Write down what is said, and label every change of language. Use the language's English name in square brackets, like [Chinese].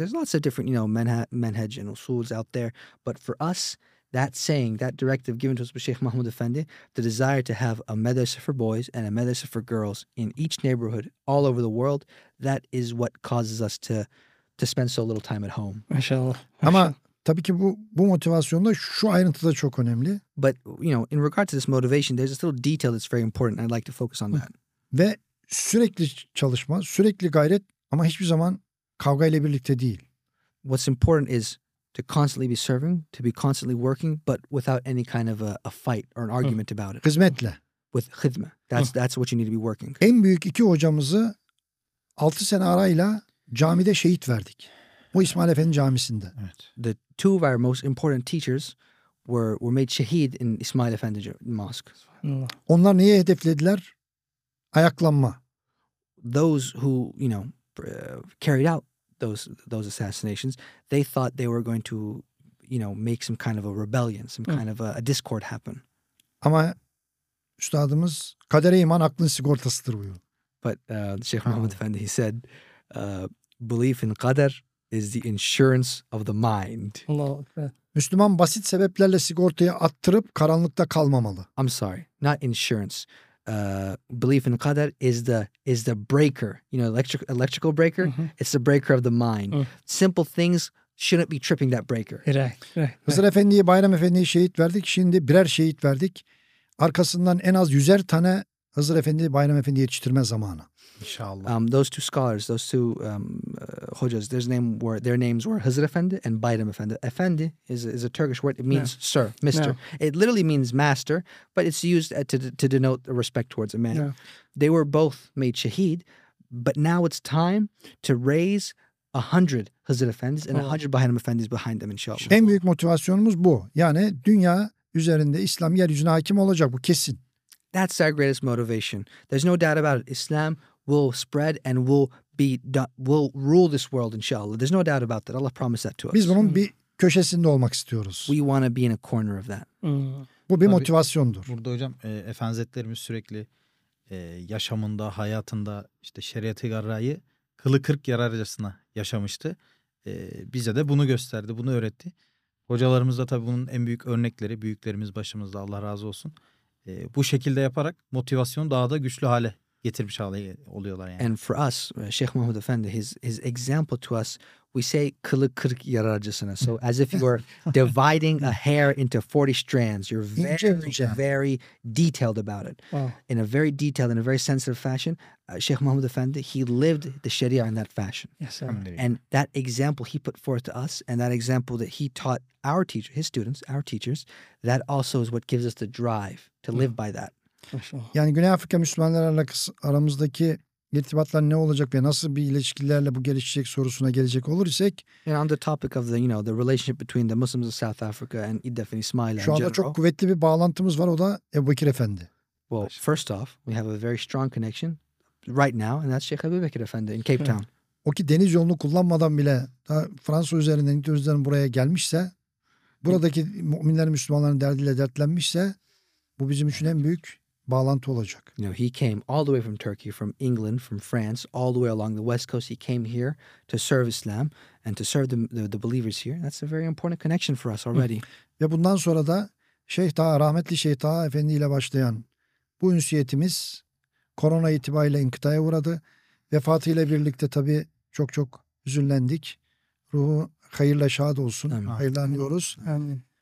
[English] There's lots of different, you know, menhaj and usuls out there. But for us, that saying, that directive given to us by Sheikh Mahmoud Efendi, the desire to have a madrasa for boys and a madrasa for girls in each neighborhood all over the world, that is what causes us to spend so little time at home. Mashallah. [Turkish] Ama tabii ki bu motivasyon da şu ayrıntı da çok önemli. [English] But, you know, in regard to this motivation, there's a little detail that's very important. I'd like to focus on that. [Turkish] Ve sürekli çalışma, sürekli gayret, ama hiçbir zaman kavgayla birlikte değil. [English] What's important is to constantly be serving, to be constantly working, but without any kind of a fight or an argument about it. [Turkish] Hizmetle. [English] With hizme. That's what you need to be working. [Turkish] En büyük iki hocamızı 6 sene arayla camide şehit verdik. Bu İsmail Efendi camisinde. Evet. [English] The two of our most important teachers were made şehit in İsmail Efendi Mosque. [Turkish] Onlar neye hedeflediler? Ayaklanma. [English] Those who, you know, carried out those assassinations, they thought they were going to, you know, make some kind of a rebellion, some kind of a discord happen. [Turkish] Ama üstadımız, kadere iman aklın sigortasıdır buyur. [English] But Sheikh Mahmoud Efendi, he said, belief in qadar is the insurance of the mind. [Turkish] Müslüman basit sebeplerle sigortaya attırıp karanlıkta kalmamalı. [English] I'm sorry, not insurance. Belief in qadar is the breaker, you know, electrical breaker. Mm-hmm. It's the breaker of the mind. Mm. Simple things shouldn't be tripping that breaker. Right. [Turkish] Hızır Efendi'yi, Bayram Efendi'yi şehit verdik. Şimdi birer şehit verdik. Arkasından en az yüzer tane Hızır Efendi, Bayram Efendi yetiştirme zamanı. İnşallah. [English] Those two scholars, those two hojas, their names were Hızır Efendi and Bayram Efendi. Efendi is a Turkish word. It means sir, mister. No. It literally means master, but it's used to denote a respect towards a man. No. They were both made shahid, but now it's time to raise 100 Hızır Efendis and 100 Bayram Efendis behind them, inshallah. [Turkish] En büyük motivasyonumuz bu. Yani dünya üzerinde İslam yeryüzüne hakim olacak, bu kesin. [English] That's our greatest motivation. There's no doubt about it. Islam will spread and will rule this world, inshallah. There's no doubt about that. Allah promised that to us. [Turkish] Biz bunun bir köşesinde olmak istiyoruz. [English] We want to be in a corner of that. [Turkish] Bu bir motivasyondur. Abi, burada hocam, efendilerimiz sürekli yaşamında, hayatında işte şeriat-ı garrayı kılı kırk yararcasına yaşamıştı. Bize de bunu gösterdi, bunu öğretti. Hocalarımız da tabii bunun en büyük örnekleri, büyüklerimiz başımızda, Allah razı olsun. Bu şekilde yaparak motivasyonu daha da güçlü hale getirmiş oluyorlar yani. [English] And for us, Sheikh Mahmoud Efendi, his example to us, we say [Turkish] kılı kırk yararcasına. [English] So as if you were dividing a hair into 40 strands. You're very, very detailed about it. Wow. In a very detailed, in a very sensitive fashion, Sheikh Mahmoud Efendi, he lived the Sharia in that fashion. Yes, sir. And that example he put forth to us, and that example that he taught our teacher, his students, our teachers, that also is what gives us the drive to live by that. [Turkish] Yani Güney Afrika Müslümanlarla aramızdaki irtibatlar ne olacak ve nasıl bir ilişkilerle bu gelişecek sorusuna gelecek olur isek, [English] and on the topic of the, you know, the relationship between the Muslims of South Africa and IDDEF and Ismaila, [Turkish] şu anda [English] general, [Turkish] çok kuvvetli bir bağlantımız var, o da Ebu Bekir Efendi. [English] Well, first off, we have a very strong connection right now, and that's Sheikh Ebu Bekir Efendi in Cape Town. [Turkish] O ki deniz yolunu kullanmadan bile daha Fransa üzerinden, İngiltere üzerinden buraya gelmişse, buradaki müminler Müslümanların derdiyle dertlenmişse bu bizim için en büyük bağlantı olacak. [English] You know, he came all the way from Turkey, from England, from France, all the way along the West Coast. He came here to serve Islam and to serve the believers here. That's a very important connection for us already. [Turkish] Ve bundan sonra da Şeyh Taha, rahmetli Şeyh Taha Efendi ile başlayan bu ünsiyetimiz korona itibariyle inkıtaya uğradı. Vefatıyla birlikte tabii çok çok üzüldük. Ruhu hayırla şad olsun. Amin. Hayırlanıyoruz. Amin.